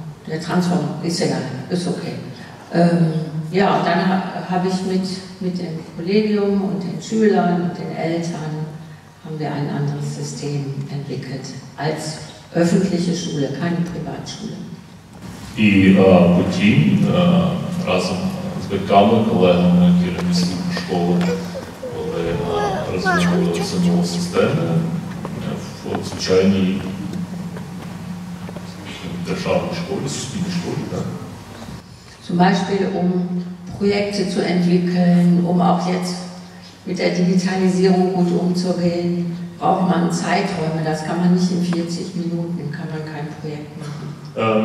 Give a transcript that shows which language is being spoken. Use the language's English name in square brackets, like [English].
[German] Der Transform ist egal, ist okay. Ja, und dann habe ich mit dem Kollegium und den Schülern und den Eltern haben wir ein anderes System entwickelt als öffentliche Schule, keine Privatschule. [Ukrainian] І потім разом з батьками, колегами, керівниками школи, коли розробили цю нову систему в звичайній державній школі, суспільній школі, так? [German] Zum Beispiel, um Projekte zu entwickeln, um auch jetzt mit der Digitalisierung gut umzugehen, braucht man Zeiträume. Das kann man nicht in 40 Minuten, kann man kein Projekt machen.